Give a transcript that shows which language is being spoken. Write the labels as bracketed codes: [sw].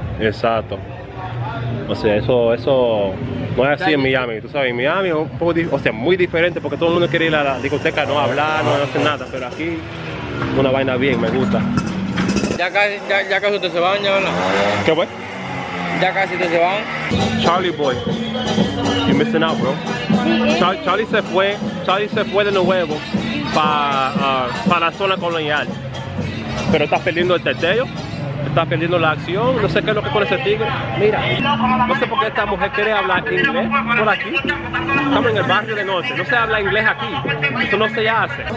[es] Exacto. O sea, eso no es así en Miami, tú sabes, en Miami es un poco, o sea, muy diferente porque todo el mundo quiere ir a la discoteca, no hablar, no hacer nada, pero aquí una vaina bien, me gusta. Ya casi ustedes se van, ya, ¿verdad? ¿Qué fue? Ya casi ustedes se van. [en] Charlie boy, you're missing out, bro. [es] Charlie se fue de nuevo para la zona colonial, pero estás perdiendo el testeo. Está perdiendo la acción, no sé qué es lo que con ese tigre. Mira, no sé por qué esta mujer quiere hablar inglés por aquí. Estamos en el barrio de noche, no se habla inglés aquí. Eso no se hace.